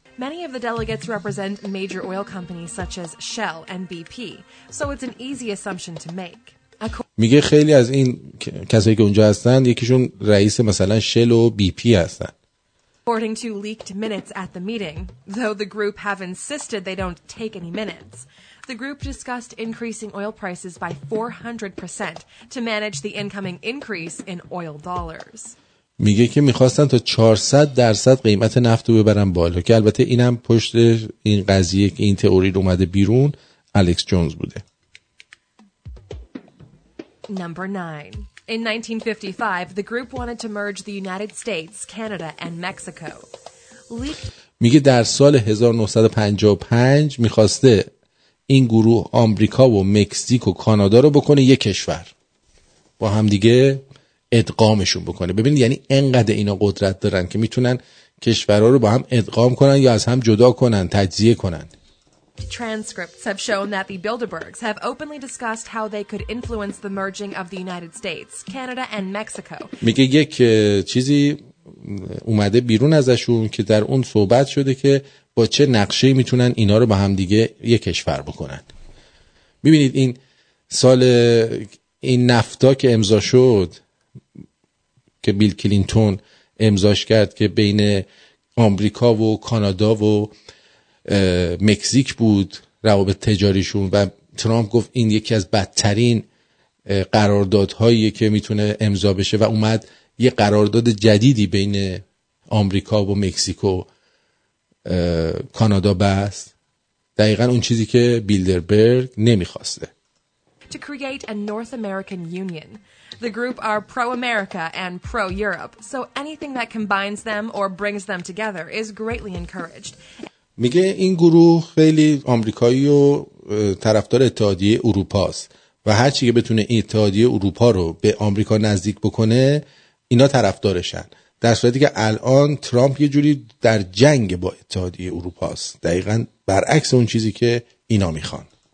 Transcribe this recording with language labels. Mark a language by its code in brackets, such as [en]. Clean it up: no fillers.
[en] Many of the delegates represent major oil companies such as Shell and BP, so it's an easy assumption to make. [fa] میگه خیلی از این کسایی که اونجا هستن یکیشون رئیس مثلا شل و بی پی هستن. [en] According to leaked minutes at the meeting, though the group have insisted they don't take any minutes, the group discussed increasing oil prices by 400% to manage the incoming increase in oil dollars. [fa] میگه که میخواستن تا 400% قیمت نفت رو ببرن بالا، که البته اینم پشت این قضیه که این تئوری رو اومده بیرون الکس جونز بوده. [en] Number 9. In 1955, the group wanted to merge the United States, Canada, and Mexico. [fa] میگه در سال 1955 میخواسته این گروه آمریکا و مکزیک و کانادا رو بکنه یک کشور. با هم دیگه ادغامشون بکنه. ببینید یعنی انقدر اینا قدرت دارن که میتونن کشورها رو با هم ادغام کنن یا از هم جدا کنن، تجزیه کنن. [en] Transcripts have shown that the Bilderbergs have openly discussed how they could influence the merging of the United States, Canada, and Mexico. [fa] میگه یک چیزی اومده بیرون ازشون که در اون صحبت شده که با چه نقشه‌ای میتونن اینا رو با هم دیگه یک کشور بکنن. میبینید این سال این نفتا که امضا شد، که بیل کلینتون امضاش کرد که بین آمریکا و کانادا و مکزیک بود روابط تجاریشون، و ترامپ گفت این یکی از بدترین قراردادهایی که میتونه امضا بشه و اومد یه قرارداد جدیدی بین آمریکا و مکزیک و کانادا بست، دقیقا اون چیزی که بیلدربرگ نمیخواسته. [en] To create a North American Union. The group are pro-America and pro-Europe, so anything that combines them or brings them together is greatly encouraged. [fa] میگه این گروه خیلی آمریکایی و طرفدار اتحادیه اروپا است و هر چیزی که بتونه این اتحادیه اروپا رو به آمریکا نزدیک بکنه اینا طرفدارشن، در صورتی که الان ترامپ یه جوری در جنگ با اتحادیه اروپا است، دقیقاً برعکس اون چیزی که اینا میخوان.